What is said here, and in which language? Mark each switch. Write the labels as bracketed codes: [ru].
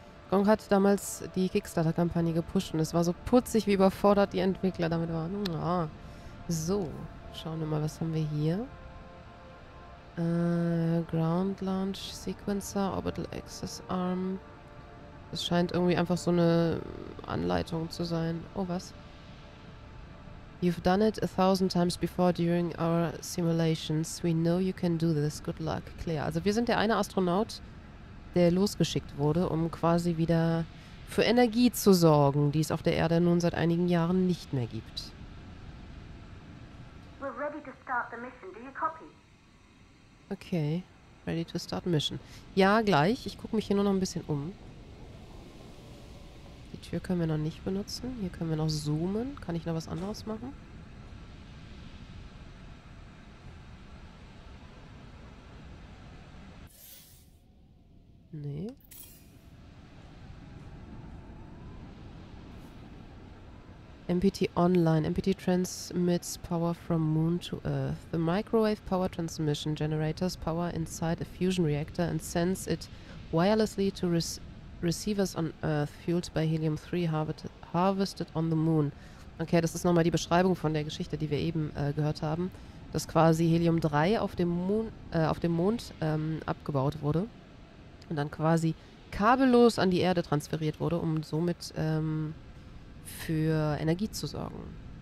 [de] Gong hat damals die Kickstarter-Kampagne gepusht und es war so putzig, wie überfordert die Entwickler damit waren. Ja. So, schauen wir mal, was haben wir hier. Ground Launch Sequencer, Orbital Access Arm. Das scheint irgendwie einfach so eine Anleitung zu sein. Oh, was? [en] You've done it 1000 times before during our simulations. We know you can do this. Good luck, Claire. [de] Also wir sind der eine Astronaut, der losgeschickt wurde, um quasi wieder für Energie zu sorgen, die es auf der Erde nun seit einigen Jahren nicht mehr gibt. [en] We're ready to start the mission. Do you copy? Okay, ready to start mission. [de] Ja, gleich. Ich gucke mich hier nur noch ein bisschen um. Die Tür können wir noch nicht benutzen. Hier können wir noch zoomen. Kann ich noch was anderes machen? Nee. [en] MPT Online. MPT transmits power from Moon to Earth. The microwave power transmission generators power inside a fusion reactor and sends it wirelessly to receivers on Earth, fueled by Helium-3 harvested on the Moon. [de] Okay, das ist nochmal die Beschreibung von der Geschichte, die wir eben gehört haben. Dass quasi Helium-3 auf dem Mond abgebaut wurde. Und dann quasi kabellos an die Erde transferiert wurde, um somit für Energie zu sorgen.